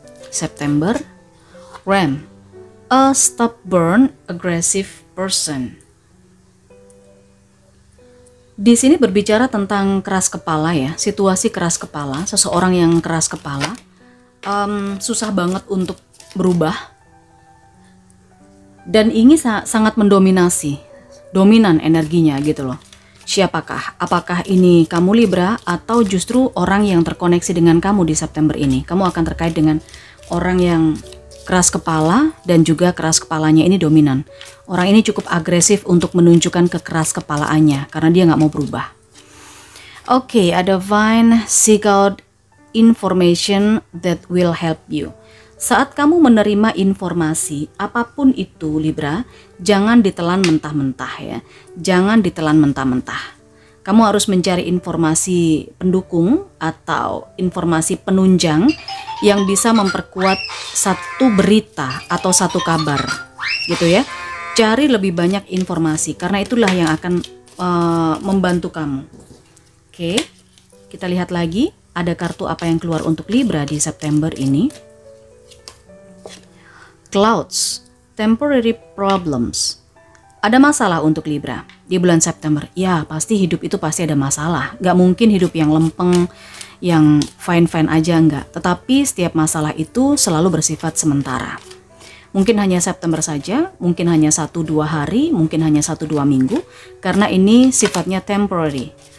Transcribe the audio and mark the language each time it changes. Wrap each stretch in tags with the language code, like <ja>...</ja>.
<en>September, Ram, a stubborn, aggressive person.</en> <id>Di sini berbicara tentang keras kepala ya, situasi keras kepala, seseorang yang keras kepala, susah banget untuk berubah, dan ini sangat mendominasi, dominan energinya gitu loh. Siapakah? Apakah ini kamu Libra atau justru orang yang terkoneksi dengan kamu di September ini? Kamu akan terkait dengan orang yang keras kepala dan juga keras kepalanya ini dominan. Orang ini cukup agresif untuk menunjukkan kekeras kepalaannya karena dia nggak mau berubah.</id> <en>Oke, ada Vine, seek out information that will help you.</en> <id>Saat kamu menerima informasi, apapun itu Libra, jangan ditelan mentah-mentah ya. Jangan ditelan mentah-mentah. Kamu harus mencari informasi pendukung atau informasi penunjang yang bisa memperkuat satu berita atau satu kabar gitu ya. Cari lebih banyak informasi karena itulah yang akan membantu kamu. Oke, kita lihat lagi ada kartu apa yang keluar untuk Libra di September ini.</id> <en>Clouds, temporary problems.</en> <id>Ada masalah untuk Libra di bulan September. Ya, pasti hidup itu pasti ada masalah. Gak mungkin hidup yang lempeng, yang fine-fine aja, enggak. Tetapi setiap masalah itu selalu bersifat sementara. mungkin hanya September saja, mungkin hanya 1-2 hari, mungkin hanya 1-2 minggu, karena ini sifatnya temporary.</id>